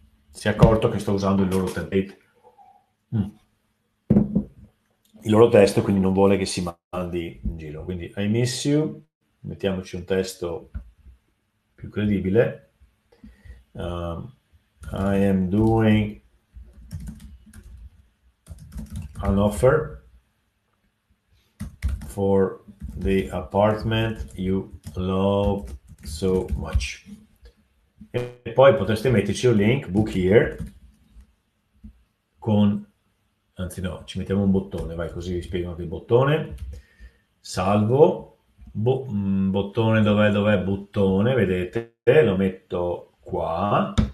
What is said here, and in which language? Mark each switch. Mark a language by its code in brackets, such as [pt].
[it] Si è accorto che sto usando il loro template. Il loro testo, quindi non vuole che si mandi in giro. Quindi [en] I miss you, [it] mettiamoci un testo più credibile. [en] I am doing an offer for the apartment you love so much. [it] E poi potreste metterci un link, [en] book here, [it] con, anzi no, ci mettiamo un bottone, vai, così vi spiego anche il bottone. Salvo, bottone, dov'è bottone, vedete, lo metto qua.